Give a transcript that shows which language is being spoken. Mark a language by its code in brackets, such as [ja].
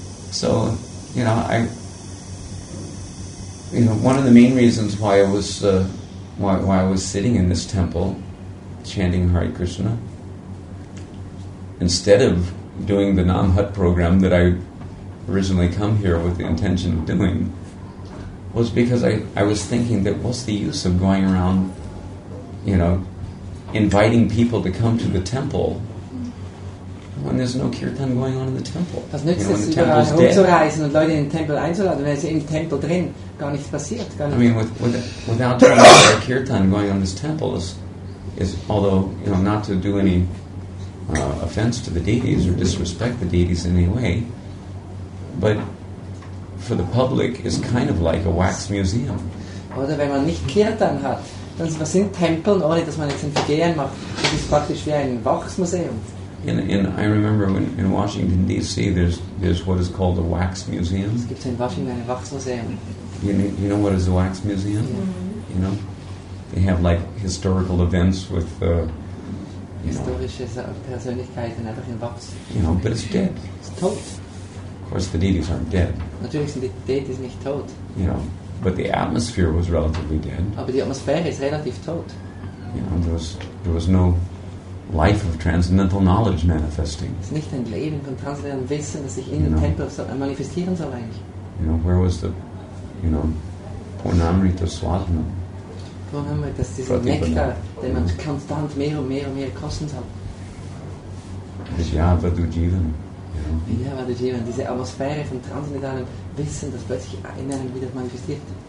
[en] So, you know, one of the main reasons why I was sitting in this temple chanting Hare Krishna instead of doing the Nam Hat program that I originally come here with the intention of doing was because I was thinking that what's the use of going around, you know, inviting people to come to the temple when there's no kirtan going on in the temple. [de] Was nützt es, überall herumzureisen und Leute in den Tempel einzuladen, wenn es im Tempel drin gar nichts passiert? Gar nicht. [en] I mean, without 24-hour kirtan going on in this temple is, although, you know, not to do any offense to the deities or disrespect the deities in any way, but for the public is kind of like a wax museum. [de] Oder wenn man nicht kirtan hat, dann sind Tempeln, ohne dass man jetzt ein Vergehen macht, das ist praktisch wie ein Wachsmuseum. [en] In I remember when in Washington D.C. there's what is called a wax museum. [de] Es gibt in Washington ein Wachsmuseum. [en] You know what is a wax museum? Mm-hmm. You know, they have like historical events with [de] historische Persönlichkeiten einfach in Wachs. [en] You know, but it's dead. [de] It's tot. [en] Of course, the deities aren't dead. [de] Natürlich sind die Deities nicht tot. [en] You know, but the atmosphere was relatively dead. [de] Aber die Atmosphäre ist relativ tot. [en] You know, there was no life of transcendental knowledge manifesting. [de] Es ist nicht ein Leben von transzendentem Wissen, das sich in den Tempeln manifestieren soll eigentlich. [en] You know, where was the, you know, Purnamrita Swadhana? [de] Purnamrita ist dieser Nektar, den man konstant mehr und mehr und mehr kosten soll. Vijayavadujivan. Vijayavadujivan, diese Atmosphäre von transzendentalem Wissen, das plötzlich in einem wieder manifestiert.